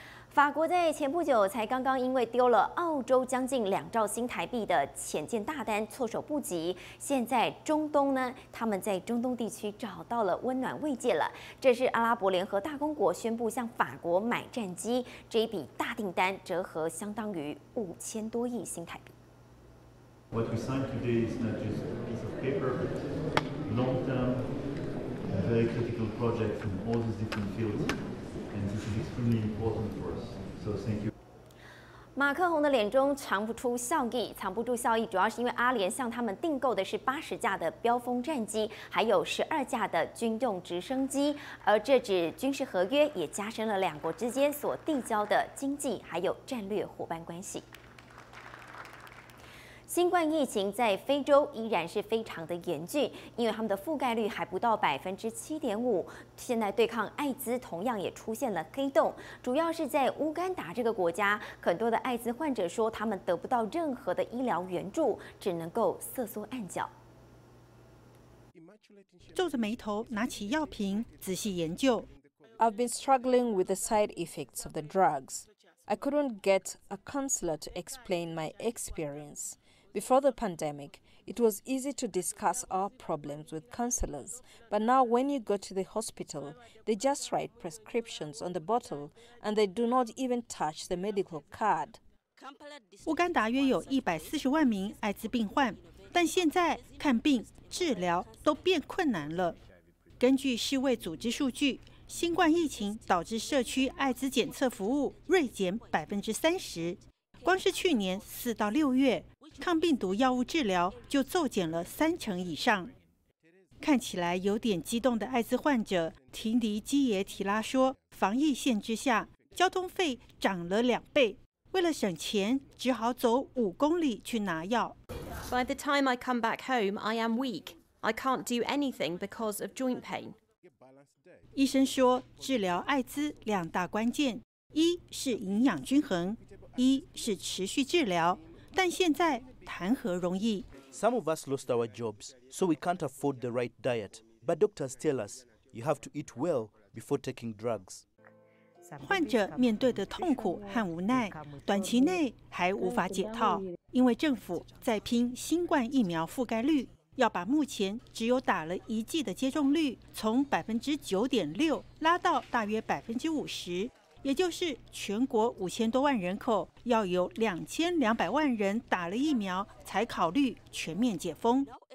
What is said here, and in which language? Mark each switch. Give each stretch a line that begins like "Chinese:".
Chinese: 法国在前不久才刚刚因为丢了澳洲将近2兆新台币的潜舰大单措手不及，现在中东呢，他们在中东地区找到了温暖慰藉了。这是阿拉伯联合大公国宣布向法国买战机，这一笔大订单折合相当于5000多亿新台币。
English: What we signed today is not just a piece of paper, long term. A very critical project in all these different fields, and this is extremely important for us. So, thank you.
Chinese: 马克宏的脸中藏不出笑意，藏不住笑意，主要是因为阿联向他们订购的是80架的飙风战机，还有12架的军用直升机，而这纸军事合约也加深了两国之间所递交的经济还有战略伙伴关系。新冠疫情在非洲依然是非常的严峻，因为他们的覆盖率还不到7.5%。现在对抗艾滋同样也出现了黑洞，主要是在乌干达这个国家，很多的艾滋患者说他们得不到任何的医疗援助，只能够瑟缩暗角。皱着眉头，拿起药瓶，仔细研究。
English: I've been struggling with the side effects of the drugs. I couldn't get a counselor to explain my experience. Before the pandemic, it was easy to discuss our problems with counselors. But now when you go to the hospital, they just write prescriptions on the bottle and they do not even touch the medical card.
Chinese: 乌干达约有140万名艾滋病患，但现在看病、治疗都变困难了。根据世卫组织数据，新冠疫情导致社区艾滋检测服务锐减30%，光是去年4到6月，抗病毒药物治疗就骤减了30%以上。看起来有点激动的艾滋患者提尼基耶提拉说，防疫限制下交通费涨了2倍，为了省钱只好走5公里去拿药。
English: By the time I come back home, I am weak. I can't do anything because of joint pain.
Chinese: 医生说，治疗艾滋两大关键，一是营养均衡，一是持续治疗。但现在谈何容易
English: ？Some of us lost our jobs, so we can't afford the right diet. But doctors tell us you have to eat well before taking drugs.
Chinese: 患者面对的痛苦和无奈，短期内还无法解套，因为政府在拼新冠疫苗覆盖率。要把目前只有打了一剂的接种率从9.6%拉到大约50%，也就是全国5000多万人口要有2200万人打了疫苗才考虑全面解封。